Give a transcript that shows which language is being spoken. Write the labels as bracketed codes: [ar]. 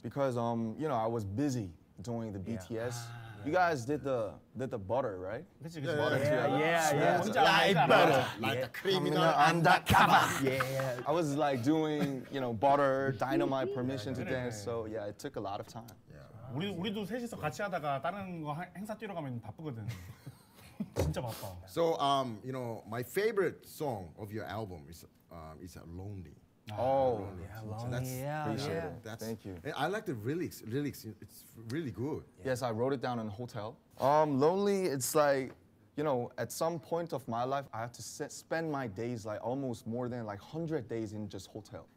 [en] Because, you know, I was busy doing the BTS. Yeah. You guys did the butter, right? Yeah. Like the criminal undercover. Yeah. I was like doing, you know, butter, dynamite, permission to dance. So yeah, it took a lot of time. Yeah. [ko] 우리도 셋이서 같이 하다가 다른 거 행사 뛰러 가면 바쁘거든. 진짜 바빠. [en] So you know, my favorite song of your album is Lonely. Oh, yeah, Lonely. That's, yeah. That's, thank you. I like the lyrics. It's really good. Yeah. Yes, I wrote it down in a hotel. Lonely, it's like, you know, at some point of my life, I have to spend my days like almost more than like 100 days in just hotel.